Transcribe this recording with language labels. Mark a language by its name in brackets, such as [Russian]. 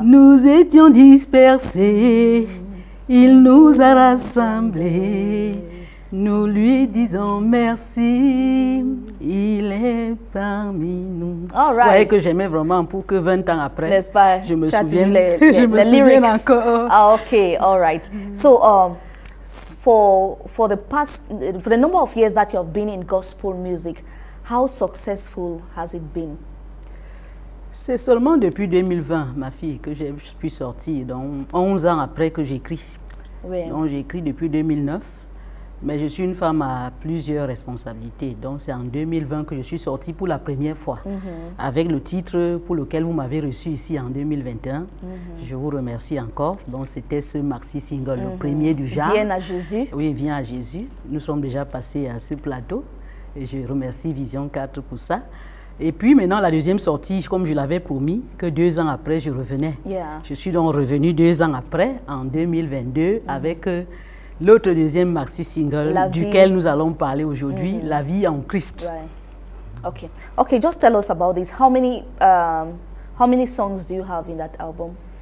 [French] Nous étions dispersés. Il nous a rassemblés. Nous lui disons merci. Il est parmi nous. [English] All right. [French] Ouais, que j'aimais vraiment pour que 20 ans après, n'est-ce pas, je me souvienne. Je me souviens encore. Ah, ok. [English] All right. So, for the number of years that you have been in gospel music, how successful has it been? [French] C'est seulement depuis 2020, ma fille, que j'ai pu sortir. Donc, 11 ans après que j'écris. Oui. Donc, j'écris depuis 2009. Mais je suis une femme à plusieurs responsabilités. Donc, c'est en 2020 que je suis sortie pour la première fois. Mm-hmm. Avec le titre pour lequel vous m'avez reçu ici en 2021. Mm-hmm. Je vous remercie encore. Donc, c'était ce maxi single, mm-hmm. le premier du genre. Viens à Jésus. Oui, viens à Jésus. Nous sommes déjà passés à ce plateau. Et je remercie Vision 4 pour ça. Et puis maintenant, la deuxième sortie, comme je l'avais promis, que 2 ans après, je revenais. [English] Yeah. [French] Je suis donc revenue 2 ans après, en 2022, mm-hmm. avec l'autre deuxième maxi single duquel nous allons parler aujourd'hui, mm-hmm. La vie en Christ. [English] Right. Okay. Okay, just tell us about this. How many songs do you have in that album?